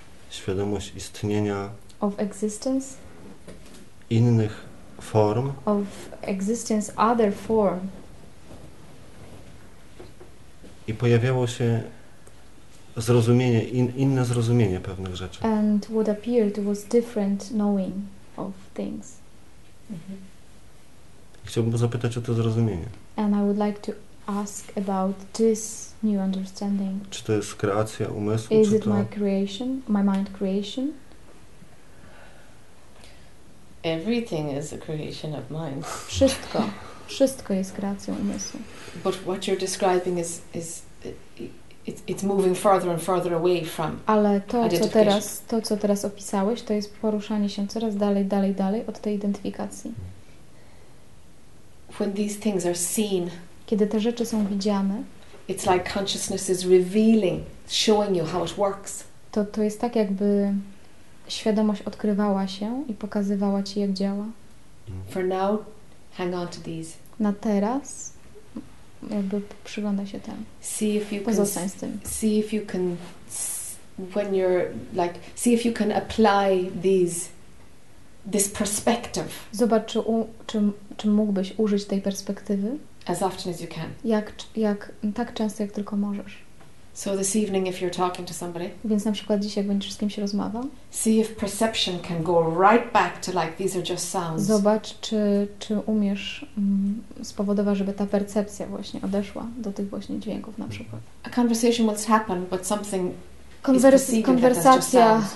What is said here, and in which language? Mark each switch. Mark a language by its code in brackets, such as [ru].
[pl] Świadomość istnienia. [en] Of existence. [pl] Innych form. [en] Of existence, other form. [pl] I pojawiało się zrozumienie, inne zrozumienie pewnych rzeczy. [en] And what appeared was different knowing of things. Mm-hmm. [pl] Chciałbym zapytać o to zrozumienie. [en] And I would like to ask about this new understanding. [pl] Czy to jest kreacja umysłu? [en] Is [pl] czy [en] it [pl] to [en] my creation, my mind creation? Everything is a creation of mind. [pl] Wszystko. Wszystko jest kreacją umysłu. [en] But what you're describing is it's moving further and further away from. [pl] Ale to co teraz opisałeś, to jest poruszanie się coraz dalej od tej identyfikacji. [en] When these things are seen, [pl] kiedy te rzeczy są widziane, [en] it's like consciousness is revealing, showing you how it works. [pl] To jest tak, jakby świadomość odkrywała się i pokazywała ci, jak działa. [en] For now, hang on to these. [pl] Na teraz jakby przygląda się temu. [en] See if you [pl] pozostań [en] can, [pl] z tym. [en] See if you can, when you're like, see if you can apply these, this perspective. [pl] Zobacz, czy mógłbyś użyć tej perspektywy. [en] As often as you can. [pl] Jak tak często, jak tylko możesz. [en] So this evening, if you're talking to somebody, [pl] więc na przykład dzisiaj, jak będziesz z kimś rozmawiał, [en] see if perception can go right back to like these are just sounds. [pl] Zobacz, czy umiesz spowodować, żeby ta percepcja właśnie odeszła do tych właśnie dźwięków, na przykład. [en] A conversation will happen, but something [pl] konwersacja